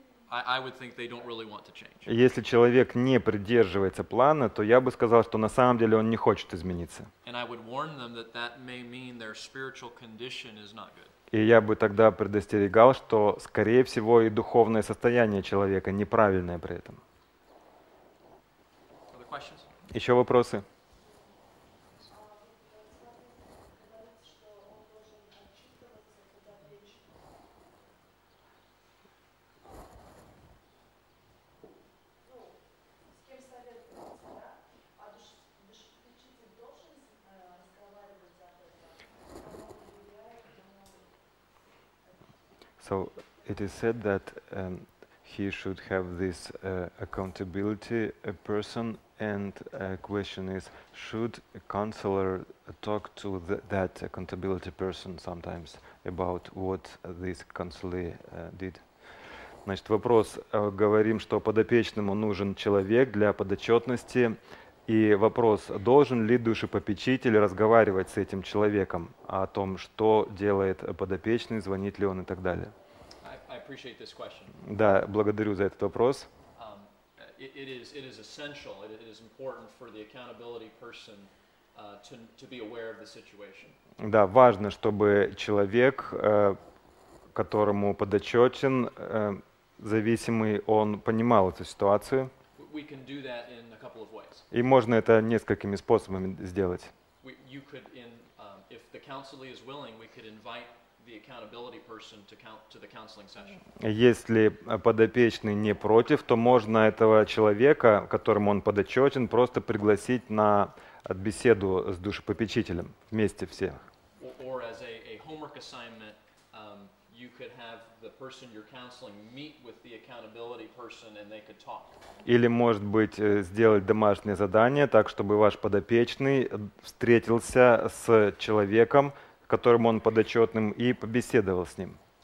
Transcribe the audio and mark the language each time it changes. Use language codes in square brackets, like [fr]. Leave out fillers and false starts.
[en] I would think they don't really want to change. [ru] Если человек не придерживается плана, то я бы сказал, что на самом деле он не хочет измениться. [en] And I would warn them that that may mean their spiritual condition is not good. [ru] И я бы тогда предостерегал, что, скорее всего, и духовное состояние человека неправильное при этом. [en] Other questions? [ru] Еще вопросы? [en] So it is said that he should have this accountability person, and the question is, should a counselor talk to that accountability person sometimes about what this counselor did? [ru] Значит, вопрос, говорим, что подопечному нужен человек для подотчетности, и вопрос, должен ли душепопечитель разговаривать с этим человеком о том, что делает подопечный, звонит ли он и так далее? [en] Appreciate this question. [ru] Да, благодарю за этот вопрос. [en] It is essential. It is important for the accountability person to be aware of the situation. [ru] Да, важно, чтобы человек, которому подотчетен зависимый, он понимал эту ситуацию. [en] We can do that in a couple of ways. [ru] И можно это несколькими способами сделать. [en] You could, if the counselee is willing, we could invite the accountability person to the counseling session. [ru] Если подопечный не против, то можно этого человека, которому он подотчетен, просто пригласить на беседу с душепопечителем вместе все. [en] Or as a homework assignment, you could have the person you're counseling meet with the accountability person and they could talk. [ru] Или, может быть, сделать домашнее задание так, чтобы ваш подопечный встретился с человеком, которым он подотчетным, и побеседовал с ним.